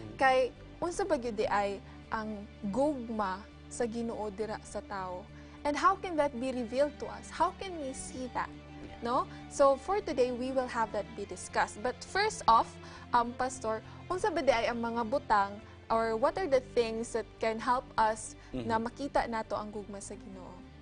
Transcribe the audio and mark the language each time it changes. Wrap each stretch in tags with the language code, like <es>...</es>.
<ceb>Kay, unsa ba gyud ay ang gugma sa Ginoo dira sa tao?</ceb> <en>And how can that be revealed to us? How can we see that? No? So, for today, we will have that be discussed. But first off, Pastor,</en> <ceb>unsa ba ay ang mga butang</ceb> <en>or what are the things that can help us</en> <ceb>na makita nato ang gugma sa Ginoo?</ceb>